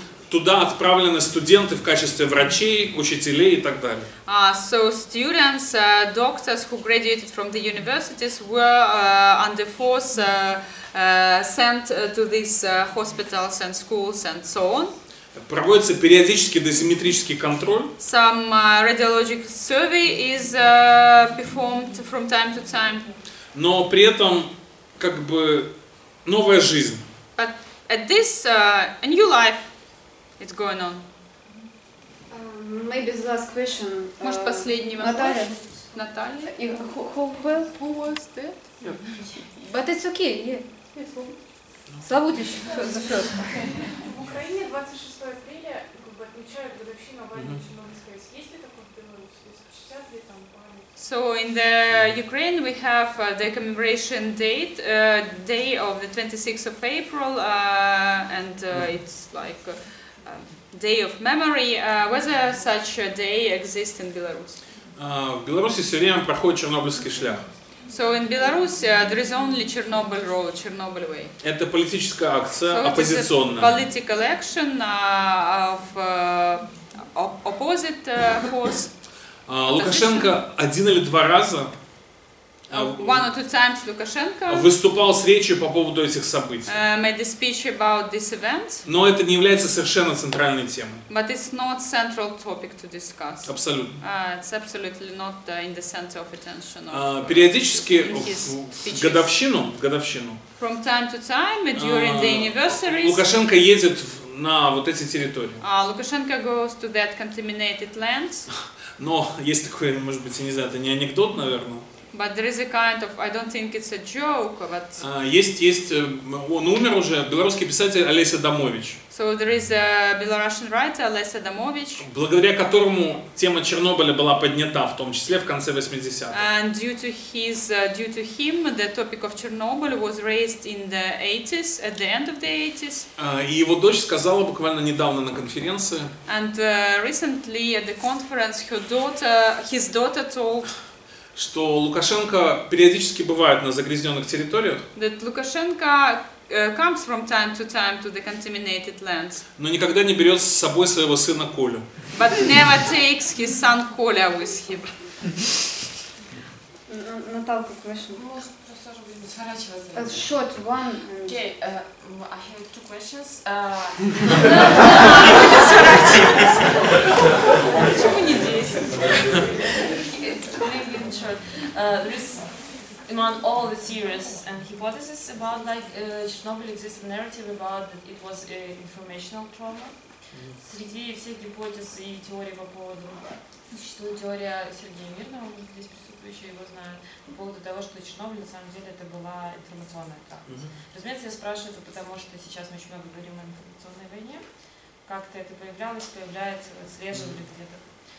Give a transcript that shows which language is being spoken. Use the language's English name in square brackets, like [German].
[Russian] Туда отправлены студенты в качестве врачей, учителей и так далее. [English] So students, doctors who graduated from the universities were under force. Sent to these hospitals and schools and so on. [Russian] Проводится периодический дозиметрический контроль. [English] Some radiologic survey is performed from time to time. [Russian] Но при этом как бы новая жизнь. [English] But at this a new life is going on. Maybe the last question. [Russian] Может последний вопрос. [English] Наталья. И who was that? Yeah. But it's okay. Yeah. [Russian] В Украине 26 апреля отмечают годовщину аварии в Чернобыльской. Есть ли такое в Беларуси? Чтят ли там память? [English] So in the Ukraine we have the commemoration date day of the 26th of April and it's like a day of memory. Whether such a day exists in Belarus? [Russian] В Беларуси все время проходит Чернобыльский шлях. [English] So in Belarus there is only Chernobyl road, Chernobyl way. [Russian] Это политическая акция, оппозиционная. [English] Political action of opposite force. [Russian] Лукашенко один или два раза [English] one or two times Лукашенко [Russian] выступал с речью по поводу этих событий. [English] Made a speech about this event. [Russian] Но это не является совершенно центральной темой. [English] But it's not central topic to discuss. [Russian] Абсолютно. [English] It's absolutely not in the center of attention. [Russian] Периодически в годовщину. [English] From time to time, during the anniversaries. [Russian] Лукашенко едет на вот эти территории. [English] Лукашенко goes to that contaminated land. [Russian] Но есть такое, может быть, я не знаю, это не анекдот, наверное. [English] But there is a kind of, I don't think it's a joke, but... [Russian] Есть, он умер уже, белорусский писатель Олеся Домович. [English] So there is a Belarusian writer, Олеся Домович. [Russian] Благодаря которому тема Чернобыля была поднята, в том числе в конце 80-х. [English] And due to him, the topic of Chernobyl was raised in the 80s, at the end of the 80s. [Russian] И его дочь сказала буквально недавно на конференции. [English] And recently at the conference his daughter told... [Russian] что Лукашенко периодически бывает на загрязненных территориях. [English] That Lukashenko comes from time to time to the contaminated lands. [Russian] Но никогда не берет с собой своего сына Колю. [English] But never takes his son Коля with him. Наталка, question. [Russian] Может, просто уже будем сворачиваться? [English] A short one. Okay, I have two questions. [Russian] Будем сворачиваться. Почему не 10? [English] Really in short. Among all the theories and hypotheses about like Chernobyl exists a narrative about that it was informational trauma. [Russian] Среди всех гипотез и теорий по поводу, существует теория Сергея Мирного, мы здесь присутствующие его знают, по поводу того, что Чернобыль на самом деле это была информационная травма. Разумеется, я спрашиваю это, потому что сейчас мы очень много говорим о информационной войне, как-то это появлялось, появляется, отслеживали где-то.